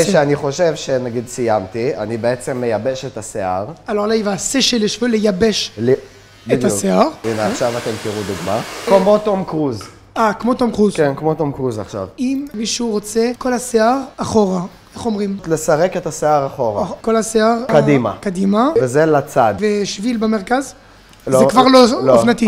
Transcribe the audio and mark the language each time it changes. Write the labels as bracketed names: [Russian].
[Hebrew] אחרי שאני חושב שנגיד סיימתי, אני בעצם מייבש את השיער. [French] Alors là, il va sécher les cheveux, [Hebrew] לייבש את השיער. הנה, עכשיו אתם תראו דוגמה. כמו תום קרוז. כמו תום קרוז. כן, כמו תום קרוז עכשיו. אם מישהו רוצה, כל השיער אחורה. איך אומרים? לסרק את השיער אחורה. כל השיער... קדימה. קדימה. וזה לצד. ושביל במרכז? לא, זה כבר לא, לא אופנתי.